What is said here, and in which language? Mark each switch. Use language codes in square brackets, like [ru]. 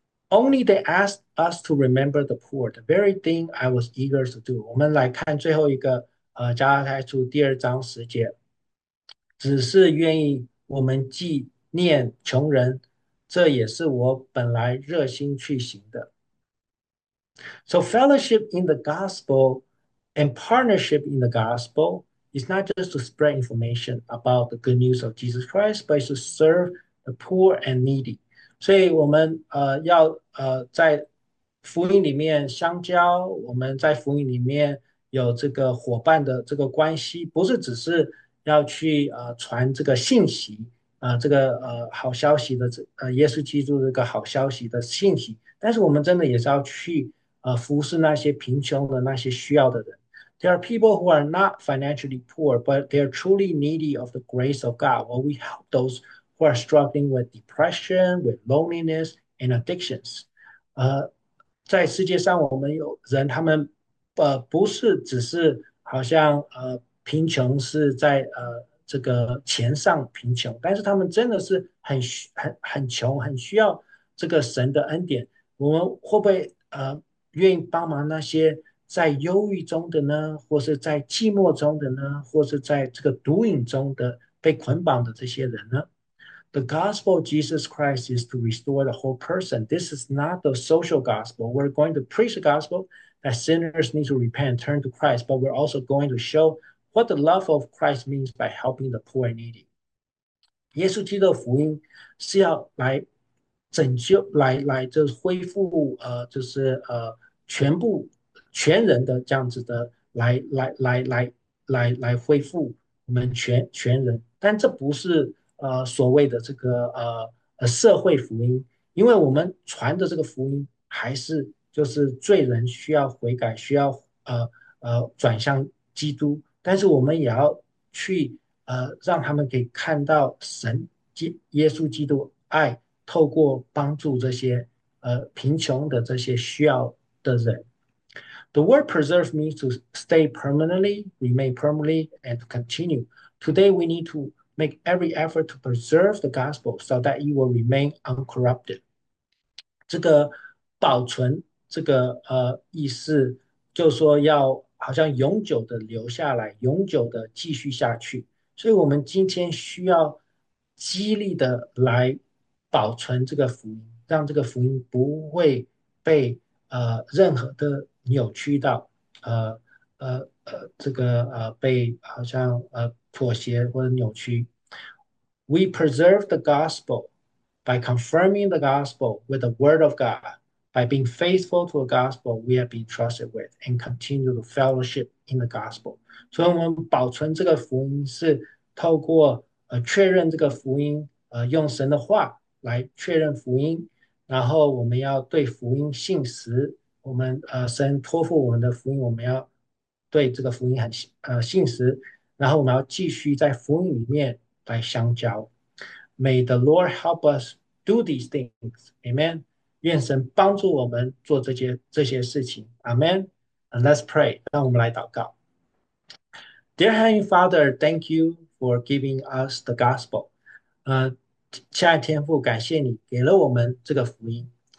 [en] Only they asked us to remember the poor, the very thing I was eager to do. [zh] 我们来看最后一个，加拉太书第二章十节，只是愿意我们纪念穷人，这也是我本来热心去行的。 [en] So fellowship in the gospel and partnership in the gospel is not just to spread information about the good news of Jesus Christ, but to serve the poor and needy. [zh] 所以，我们要在福音里面相交，我们在福音里面有这个伙伴的这个关系，不是只是要去传这个信息这个好消息的这耶稣基督这个好消息的信息，但是我们真的也是要去服侍那些贫穷的那些需要的人。 [en] There are people who are not financially poor, but they are truly needy of the grace of God. Will we help those who are struggling with depression, with loneliness and addictions？ [zh] 在世界上，我们有人，他们不是只是好像贫穷是在这个钱上贫穷，但是他们真的是很穷，很需要这个神的恩典。我们会不会愿意帮忙那些在忧郁中的呢，或是在寂寞中的呢，或是在这个毒瘾中的被捆绑的这些人呢？ [en] The gospel of Jesus Christ is to restore the whole person. This is not the social gospel. We're going to preach the gospel that sinners need to repent, turn to Christ, but we're also going to show what the love of Christ means by helping the poor and needy. [zh] 耶稣基督的福音是要来拯救，来就是恢复，就是全部全人的这样子的来恢复我们全人，但这不是所谓的这个社会福音，因为我们传的这个福音还是就是罪人需要悔改，需要转向基督，但是我们也要去让他们可以看到神耶稣基督爱，透过帮助这些贫穷的这些需要的人。 [en] The word preserve means to stay permanently, remain permanently, and to continue. Today we need to make every effort to preserve the gospel so that it will remain uncorrupted。 [zh] 这个保存这个意思，就是说要好像永久的留下来，永久的继续下去。所以，我们今天需要激励的来保存这个福音，让这个福音不会被任何的扭曲到，这个被好像妥协或者扭曲。 [en] We preserve the gospel by confirming the gospel with the word of God, by being faithful to the gospel we have been trusted with, and continue to fellowship in the gospel. [zh] 所以，我们保存这个福音是透过确认这个福音，用神的话来确认福音，然后我们要对福音信实。我们神托付我们的福音，我们要对这个福音很信实，然后我们要继续在福音里面来相交。 [en] May the Lord help us do these things. Amen. [zh] 愿神帮助我们做这些事情。 [en] Amen. And let's pray. [zh] 让我们来祷告。 [en] Dear Heavenly Father, thank you for giving us the gospel. [zh] 亲爱的天父，感谢你给了我们这个福音。